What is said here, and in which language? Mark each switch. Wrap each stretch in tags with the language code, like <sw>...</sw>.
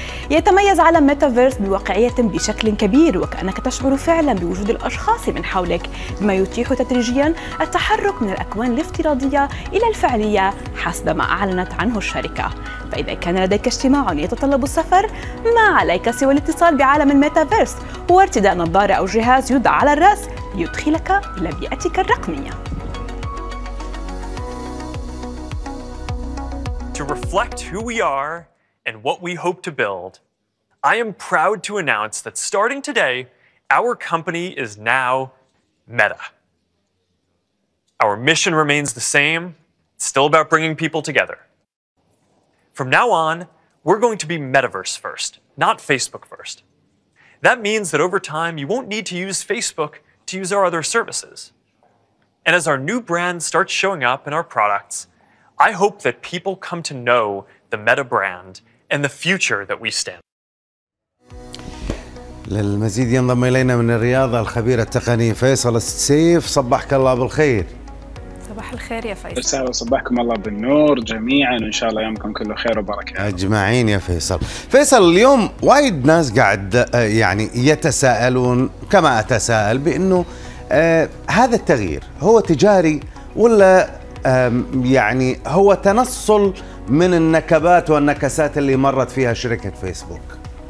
<ar>يتميز عالم ميتافيرس بواقعية بشكل كبير، وكأنك تشعر فعلا بوجود الأشخاص من حولك، بما يتيح تدريجيا التحرك من الأكوان الافتراضية إلى الفعلية حسب ما أعلنت عنه الشركة. فإذا كان لديك اجتماع يتطلب السفر، ما عليك سوى الاتصال بعالم الميتافيرس وارتداء نظارة أو جهاز يوضع على الرأس ليدخلك إلى بيئتك الرقمية.</ar> <en>To reflect who we are and what we hope to build, I am proud to announce that starting today, our company is now Meta. Our mission remains the same. It's still about bringing people together. From now on, we're going to be Metaverse first, not Facebook first. That means that over time, you won't need to use Facebook to use our other services. And as our new brand starts showing up in our products, I hope that people come to know the Meta brand and the future that we stand.</en> <ar>للمزيد ينضم إلينا من الرياض الخبير التقني فيصل السيف. صباحك الله بالخير. صباح الخير يا فيصل. أهلا وصباحكم الله بالنور جميعا، وإن شاء الله يومكم كله خير وبركة أجمعين يا فيصل. فيصل، اليوم وايد ناس قاعد يعني يتساءلون كما أتساءل بأنه هذا التغيير هو تجاري ولا يعني هو تنصل من النكبات والنكسات اللي مرت فيها شركة فيسبوك.</ar>